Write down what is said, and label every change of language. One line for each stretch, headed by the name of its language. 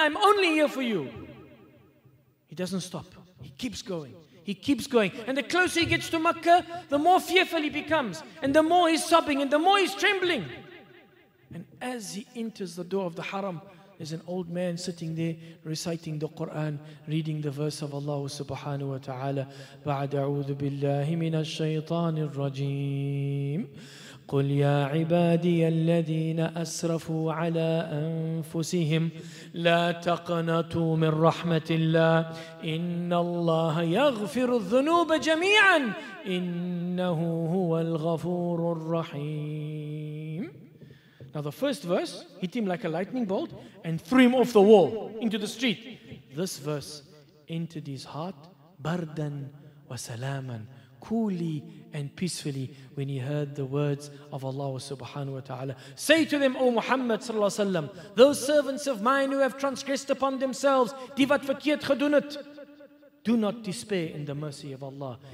English: I'm only here for you. He doesn't stop. He keeps going. He keeps going. And the closer he gets to Makkah, the more fearful he becomes. And the more he's sobbing and the more he's trembling. And as he enters the door of the haram, there's an old man sitting there reciting the Quran, reading the verse of Allah subhanahu wa ta'ala.
Arabic: بعد أعوذ بالله من الشيطان الرجيم قل يا عبادي الذين أسرفوا على أنفسهم لا تقنطوا من رحمة الله إن الله يغفر الذنوب جميعا إنه هو الغفور الرحيم.
English: Now the first verse hit him like a lightning bolt and threw him off the wall into the street. This verse entered his heart,
Arabic: bardan wa salaman,
English: coolly and peacefully when he heard the words of Allah subhanahu wa ta'ala. Say to them, O Muhammad sallallahu alaihi wasallam, those servants of mine who have transgressed upon themselves, divat fakiyat khadunat, do not despair in the mercy of Allah.